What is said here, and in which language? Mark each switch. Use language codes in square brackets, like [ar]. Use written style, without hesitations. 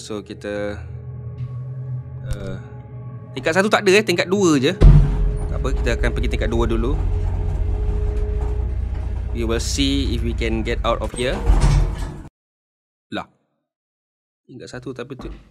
[ms] So kita tingkat satu tak ada, tingkat dua je. Tak apa, kita akan pergi tingkat dua dulu. [en] We will see if we can get out of here. [ms] Lah, tingkat satu tapi tu.